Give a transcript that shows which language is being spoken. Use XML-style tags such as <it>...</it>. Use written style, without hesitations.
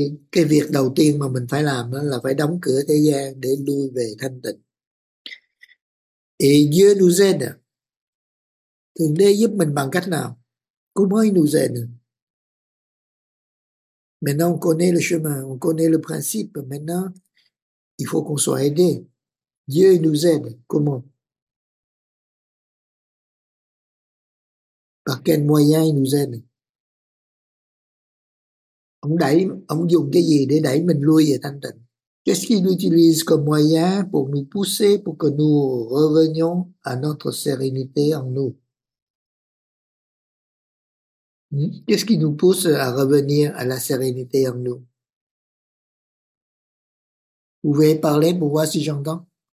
<vi>Cái việc đầu tiên mà mình phải làm đó là phải đóng cửa thế gian để lui về thanh tịnh.</vi> <fr>Et Dieu nous aide.</fr> <vi>Thượng đế giúp mình bằng cách nào? Cũng mới</vi> <fr>nous aide. Maintenant, on connaît le chemin, on connaît le principe. Maintenant, il faut qu'on soit aidé. Dieu nous aide. Comment? Par quel moyen il nous aide?</fr> <vi>Ông dùng cái gì để đẩy mình lui về thanh tịnh?</vi> <fr>Qu'est-ce qu'il utilise comme moyen pour nous pousser, pour que nous revenions à notre sérénité en nous? Qu'est-ce qui nous pousse à revenir à la sérénité en nous? Vous pouvez parler pour voir si j'entends?</fr>